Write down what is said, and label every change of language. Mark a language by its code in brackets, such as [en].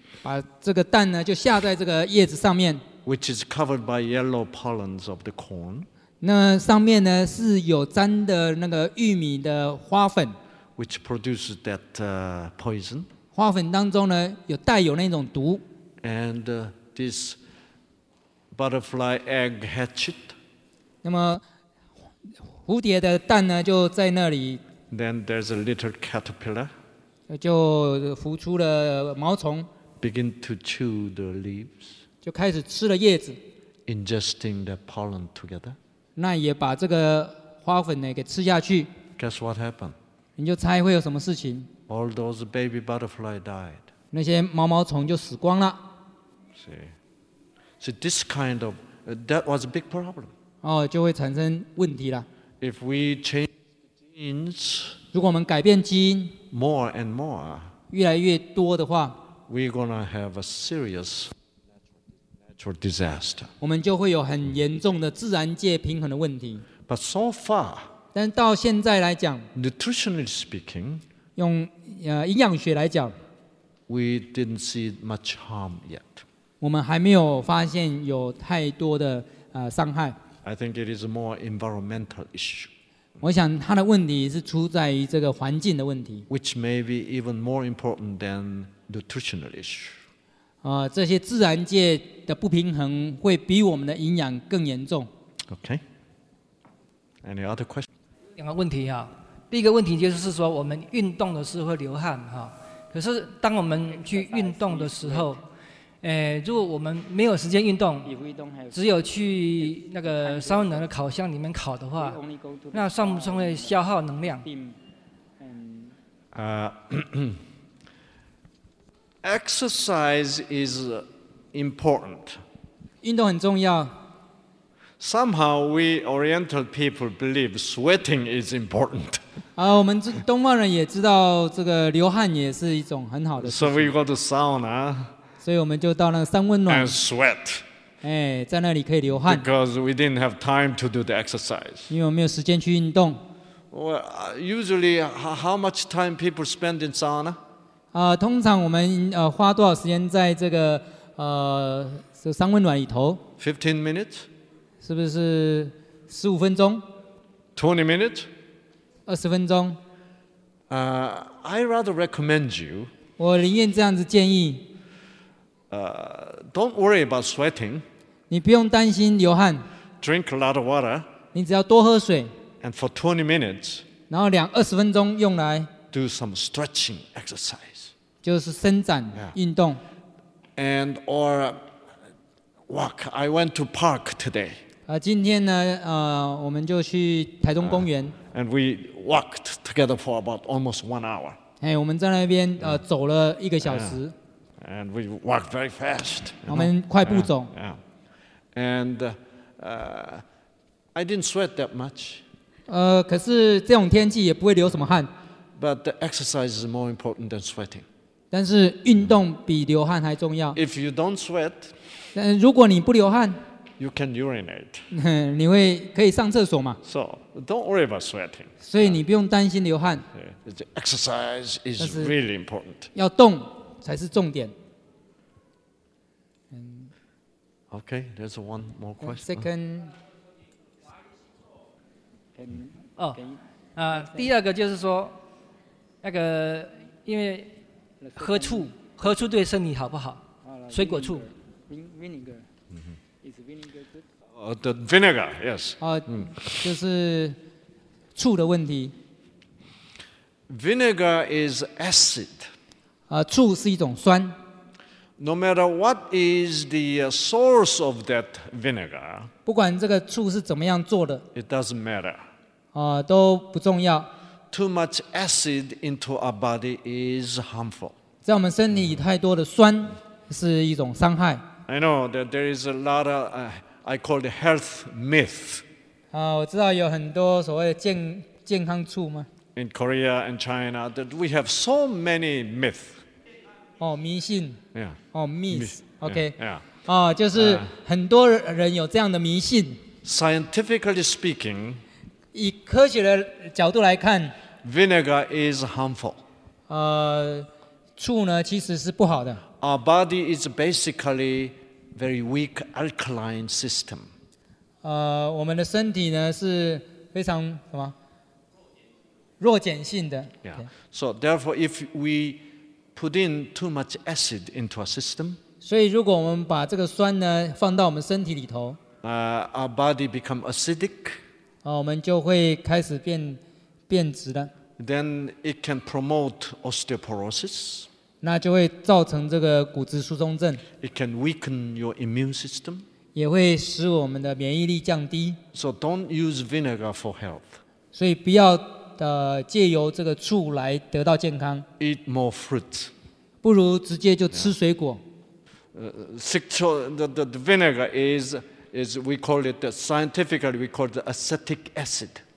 [zh] 把这个蛋呢，就下在这个叶子上面。 [en] Which is covered by yellow pollens of the corn。 [zh] 那上面呢是有沾的那个玉米的花粉。 [en] Which produces that poison。 [zh] 花粉当中呢有带有那种毒。 [en] And this butterfly egg hatched。 [zh] 那么蝴蝶的蛋呢就在那里。 [en] Then there's a little caterpillar。 [zh] 就孵出了毛虫。 [en] Begin to chew the leaves。 [zh] 就开始吃了叶子。 [en] Ingesting the pollen together。 [zh] 那也把这个花粉呢给吃下去。 [en] Guess what happened? [zh] 你就猜会有什么事情 [en] ？All those baby butterfly died. [zh] 那些毛毛虫就死光了。 [en] See, this kind of that was a big problem. [zh] 哦，就会产生问题了。 [en] If we change genes, [zh] 如果我们改变基因 [en] ，more and more, [zh] 越来越多的话 [en] ，we're gonna have a serious. For disaster. [zh] 我们就会有很严重的自然界平衡的问题。 [en] But so far, [zh] 但到现在来讲 [en] ，nutritionally speaking, [zh] 用营养学来讲 [en] ，we didn't see much harm yet. [zh] 我们还没有发现有太多的伤害。 [en] I think it is a more environmental issue. [zh] 我想它的问题是出在于这个环境的问题 [en] ，which may be even more important than nutritional issue. [zh] 这些自然界的不平衡会比我们的营养更严重。 [en] Okay. Any other question? [zh] 两个问题哈。第一个问题就是说，我们运动的时候会流汗哈。可是当我们去运动的时候，如果我们没有时间运动，只有去那个桑拿的烤箱里面烤的话，那算不算会消耗能量？ [en] Exercise is important. [zh] 运动很重要。 [en] Somehow we Oriental people believe sweating is important. [zh] 我们东方人也知道这个流汗也是一种很好的事情。 [en] So we go to sauna. [zh] 所以我们就到那个三温暖。 [en] And sweat. [zh] 在那里可以流汗。 [en] Because we didn't have time to do the exercise. [zh] 因为我没有时间去运动。 [en] Well, usually how much time people spend in sauna? [zh] 通常我们花多少时间在这个三温暖里头 [en] ？15 minutes， [zh] 是不是15分钟 [en] ？20 minutes， [zh] 20分钟。 [en] I rather recommend you。 [zh] 我宁愿这样子建议。 [en] Don't worry about sweating。 [zh] 你不用担心流汗。 [en] Drink a lot of water。 [zh] 你只要多喝水。 [en] And for 20 minutes。 [zh] 然后两二十分钟用来。 [en] Do some stretching exercise。 [zh] 就是伸展运动、 [en] yeah. ，and or walk. I went to park today. [zh] 今天呢，我们就去台中公园。 [en] And we walked together for about almost 1 hour. [zh] 我们在那边走了一个小时。 [en] Yeah. And we walked very fast. [zh] 我们快步走。 [en] And I didn't sweat that much. [zh] 可是这种天气也不会流什么汗。 [en] But the exercise is more important than sweating. [zh] 但是运动比流汗还重要。 [en] If you don't sweat, [zh] 但如果你不流汗 [en] ，you can urinate. [zh] 你会可以上厕所嘛 [en] ？So don't worry about sweating. [zh] 所以你不用担心流汗。 [en] The exercise is really important. [zh] 要动才是重点。 [en] Okay, there's one more question. Second. [zh] 第二个就是说，那个因为。喝醋，喝醋对身体好不好？水果醋。 [en] Vinegar. Is vinegar good? The vinegar, yes. [zh] 就是醋的问题。 [en] Vinegar is acid. [zh] 醋是一种酸。 [en] No matter what is the source of that vinegar, [zh] 不管这个醋是怎么样做的 [en] ，it doesn't matter. [zh] 都不重要。 [en] Too much acid into our body is harmful. [zh] 在我们身体里太多的酸是一种伤害。 [en] I know that there is a lot of I call the health myth. [zh] 我知道有很多所谓的健康醋吗？ [en] In Korea and China, that we have so many myths. [zh] 迷信。 [en] Yeah. Myths. Okay. Yeah. [zh] 就是很多人有这样的迷信。 [en] Scientifically speaking, [zh] 以科学的角度来看 [en] ，vinegar is harmful. [zh] 醋呢其实是不好的。 [en] Our body is basically very weak alkaline system. [zh] 我们的身体呢是非常什么？弱碱性的。 [en] Yeah. So therefore, if we put in too much acid into our system, [zh] 所以如果我们把这个酸呢放到我们身体里头 [en] ，our body become acidic. [zh] 我们就会开始变质了。 [en] Then it can promote osteoporosis. [zh] 那就会造成这个骨质疏松症。 [en] It can weaken your immune system. [zh] 也会使我们的免疫力降低。 [en] So don't use vinegar for health. [zh] 所以不要借由这个醋来得到健康。 [en] Eat more fruit. [zh] 不如直接就吃水果。 [en] The vinegar is we call it scientifically we call it acetic acid.